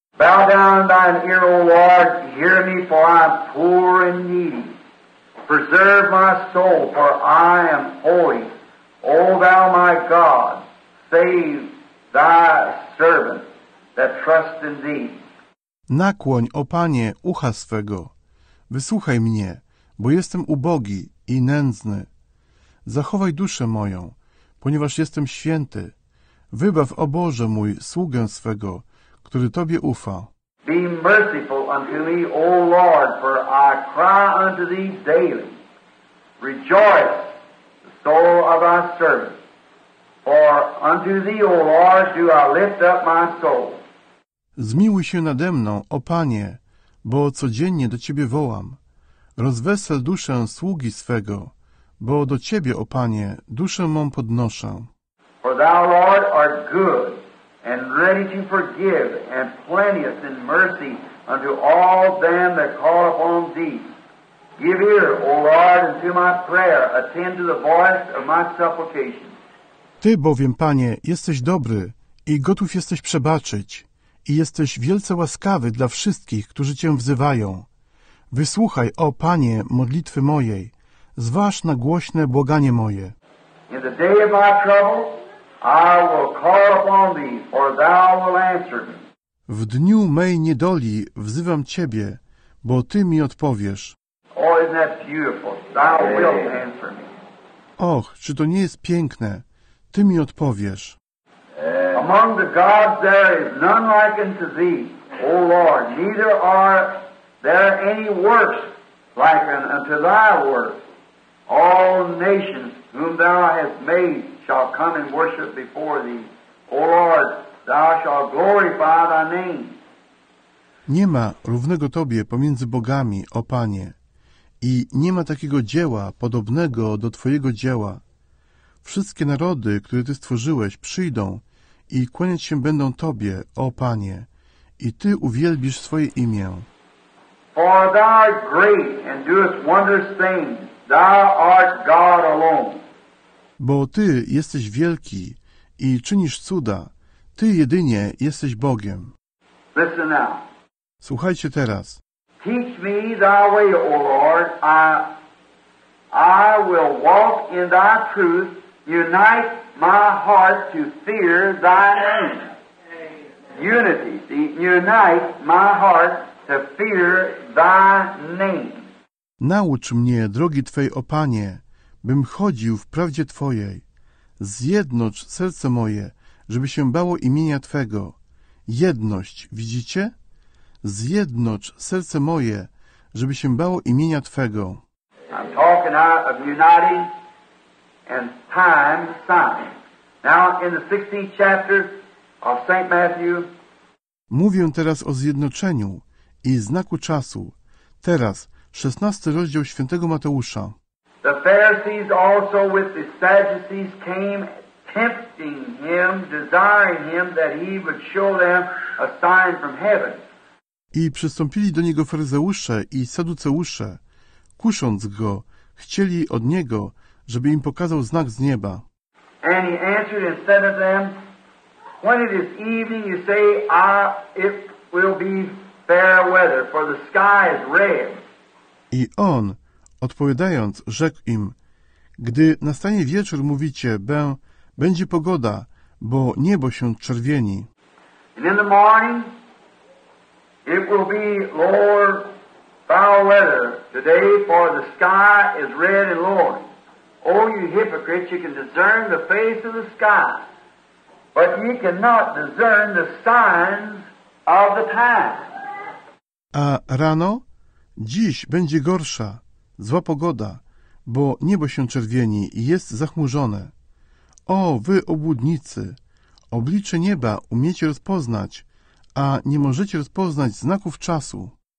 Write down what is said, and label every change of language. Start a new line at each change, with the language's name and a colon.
English: Bow down thine ear, O Lord, hear me, for I am poor and needy. Preserve my soul, for I am holy. O thou my God, save thy servant that trust in thee.
Polish: Nakłoń, o Panie, ucha swego. Wysłuchaj mnie, bo jestem ubogi i nędzny. Zachowaj duszę moją, ponieważ jestem święty. Wybaw, o Boże mój, sługę swego, który Tobie ufa.
English: Be merciful unto me, O Lord, for I cry unto Thee daily. Rejoice, the soul of Thy servant, for unto Thee, O Lord, do I lift up my soul.
Polish: Zmiłuj się nade mną, o Panie, bo codziennie do Ciebie wołam. Rozwesel duszę sługi swego, bo do Ciebie, o Panie, duszę mą podnoszę.
English: For Thou, Lord, art good, and ready to forgive, and plenteous in mercy unto all them that call upon Thee. Give ear, O Lord, unto my prayer, attend to the voice of my supplication.
Polish: Ty bowiem, Panie, jesteś dobry i gotów jesteś przebaczyć. I jesteś wielce łaskawy dla wszystkich, którzy Cię wzywają. Wysłuchaj, o Panie, modlitwy mojej. Zważ na głośne błaganie moje.
English: In the day of my trouble, I will call upon Thee, for Thou will answer me.
Polish: W dniu mej niedoli wzywam Ciebie, bo Ty mi odpowiesz.
English: Oh, isn't that beautiful? Thou wilt answer me.
Polish: Och, czy to nie jest piękne? Ty mi odpowiesz.
English: Among the gods there is none like unto Thee, O Lord. Neither are there any works like unto Thy works. All nations whom Thou hast made shall come and worship before Thee. O Lord, Thou shalt glorify Thy name.
Polish: Nie ma równego Tobie pomiędzy bogami, o Panie, i nie ma takiego dzieła podobnego do Twojego dzieła. Wszystkie narody, które Ty stworzyłeś, przyjdą i kłaniać się będą Tobie, o Panie, i Ty uwielbisz swoje imię.
English: For Thou art great and doest wondrous things, Thou art God alone.
Polish: Bo Ty jesteś wielki i czynisz cuda. Ty jedynie jesteś Bogiem.
English: Listen now.
Polish: Słuchajcie teraz.
English: Teach me Thy way, O Lord. I will walk in Thy truth. Unite my heart to fear Thy name. Unity. Unite my heart to fear Thy name.
Polish: Naucz mnie, drogi Twej, o Panie, bym chodził w prawdzie Twojej. Zjednocz serce moje, żeby się bało imienia Twego. Jedność, widzicie? Zjednocz serce moje, żeby się bało imienia Twego.
English: I'm talking of uniting and time signing. Now in the 16th chapter of St. Matthew.
Polish: Mówię teraz o zjednoczeniu i znaku czasu. Teraz, 16 rozdział świętego Mateusza.
English: The Pharisees also with the Sadducees came tempting him, desiring him that he would show them a sign from heaven.
Polish: I przystąpili do niego faryzeusze i saduceusze, kusząc go, chcieli od niego, żeby im pokazał znak z nieba.
English: And he answered and said to them, when it is evening, you say, it will be fair weather, for the sky is red.
Polish: I on, odpowiadając, rzekł im, gdy nastanie wieczór, mówicie, będzie pogoda, bo niebo się czerwieni.
English: And in the morning, it will be lower, foul weather today, for the sky is red and lowering. Oh, you hypocrites, you can discern the face of the sky, but you cannot discern the signs of the time.
Polish: A rano? Dziś będzie gorsza, zła pogoda, bo niebo się czerwieni i jest zachmurzone. O, wy obłudnicy, oblicze nieba umiecie rozpoznać, a nie możecie rozpoznać znaków czasu.